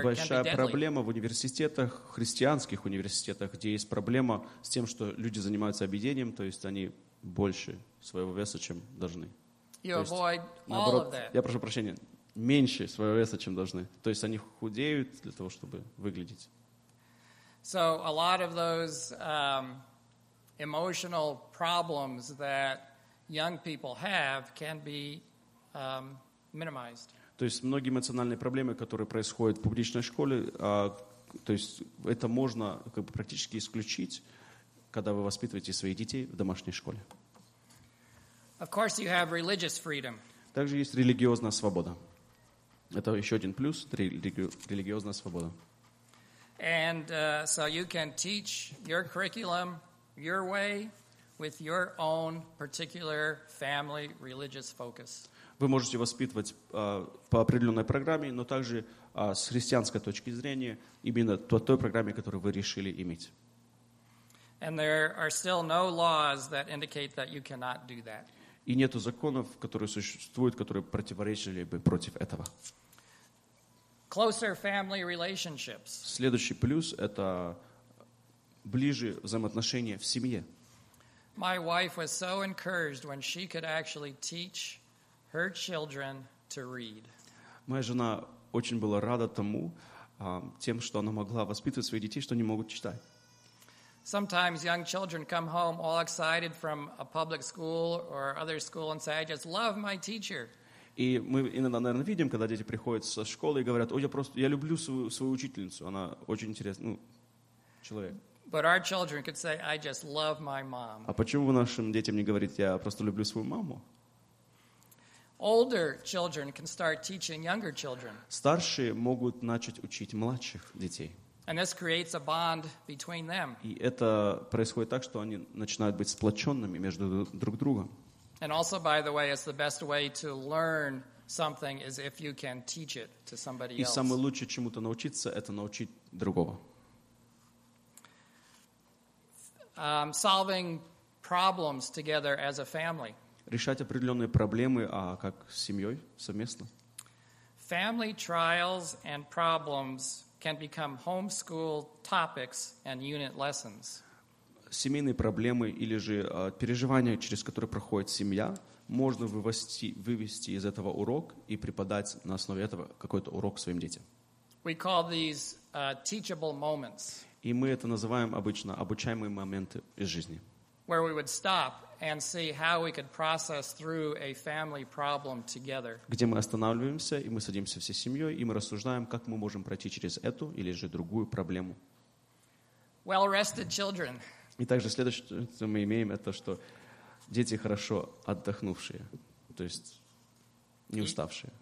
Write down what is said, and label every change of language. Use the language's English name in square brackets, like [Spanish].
[Russian] и большая проблема в университетах, христианских университетах, где есть проблема с тем, что люди занимаются объедением, то есть они больше своего веса, чем должны. [English] You avoid [Russian] наоборот, [English] all of that. [Russian] Я прошу прощения, меньше своего веса, чем должны. То есть они худеют для того, чтобы выглядеть. [English] So a lot of those emotional problems that young people have can be minimized. [Russian] То есть многие эмоциональные проблемы, которые происходят в публичной школе, то есть это можно как бы практически исключить, когда вы воспитываете своих детей в домашней школе. [English] Of course, you have religious freedom. [Russian] Также есть религиозная свобода. Это еще один плюс религиозная свобода. [English] And so you can teach your curriculum your way with your own particular family religious focus. [Russian] Вы можете воспитывать по определенной программе, но также с христианской точки зрения, именно той программе, которую вы решили иметь. [English] And there are still no laws that indicate that you cannot do that. [Russian] И нету законов, которые существуют, которые противоречили бы против этого. [English] Closer family relationships. [Russian] Следующий плюс – это ближе взаимоотношения в семье. [English] My wife was so encouraged when she could actually teach her children to read. [Russian] Моя жена очень была рада тому, тем, что она могла воспитывать своих детей, что они могут читать. [English] Sometimes young children come home all excited from a public school or other school and say, "I just love my teacher." [Russian] И мы иногда, наверное, видим, когда дети приходят со школы и говорят: "О, я люблю свою учительницу, она очень интересный человек." [English] But our children could say, "I just love my mom." [Russian] А почему нашим детям не говорить: "Я просто люблю свою маму"? [English] Older children can start teaching younger children. [Russian] Старшие могут начать учить младших детей. [English] And this creates a bond between them. [Russian] И это происходит так, что они начинают быть сплоченными между друг другом. [English] And also, by the way, it's the best way to learn something is if you can teach it to somebody else. [Russian] И самое лучшее чему-то научиться это научить другого. [English] Solving problems together as a family. [Russian] Решать определенные проблемы, а как с семьей совместно. [English] Family trials and problems can become homeschool topics and unit lessons. [Russian] Семейные проблемы или же переживания, через которые проходит семья, можно вывести из этого урок и преподать на основе этого какой-то урок своим детям. [English] We call these teachable moments. [Russian] И мы это называем обычно обучаемые моменты из жизни. [English] Where we would stop and see how we could process through a family problem together. [Russian] Где мы останавливаемся, и мы садимся всей семьей, и мы рассуждаем, как мы можем пройти через эту или же другую проблему. [English] Well-rested children. [Russian] И также следующее, что мы имеем, это что дети хорошо отдохнувшие, то есть не уставшие.